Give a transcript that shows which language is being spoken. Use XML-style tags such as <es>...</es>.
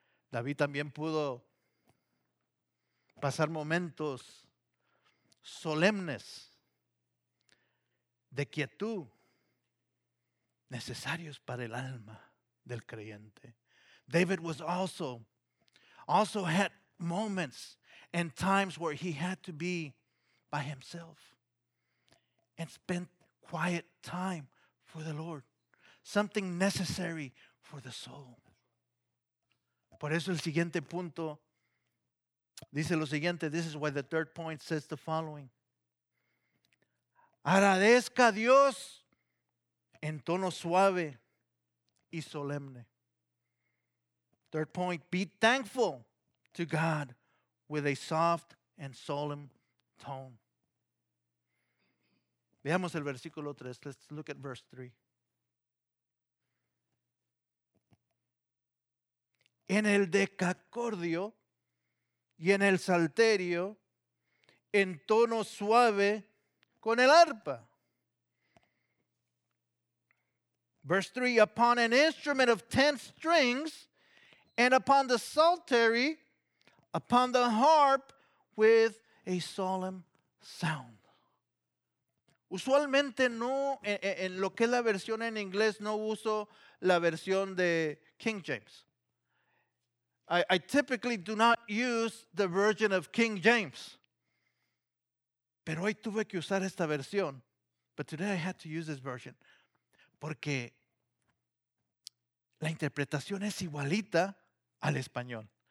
<es>David también pudo pasar momentos solemnes de quietud necesarios para el alma del creyente.</es> <en>David was also had moments and times where he had to be by himself and spend quiet time for the Lord. something necessary for the soul.</en> <es>Por eso el siguiente punto dice lo siguiente.</es> <en>This is why the third point says the following.</en> <es>Agradezca a Dios en tono suave y solemne.</es> <en>Third point, be thankful to God with a soft and solemn tone.</en> <es>Veamos el versículo 3.</es> <en>Let's look at verse 3.</en> <es>En el decacordio y en el salterio, en tono suave con el arpa.</es> <en>Verse 3, upon an instrument of 10 strings, and upon the psaltery, upon the harp, with a solemn sound.</en> <es>Usualmente no, en lo que es la versión en inglés, no uso la versión de King James.</es> <en>I typically do not use the version of King James.</en> <es>Pero hoy tuve que usar esta versión.</es> <en>But today I had to use this version.</en> <es>Porque la interpretación es igualita al español.</es>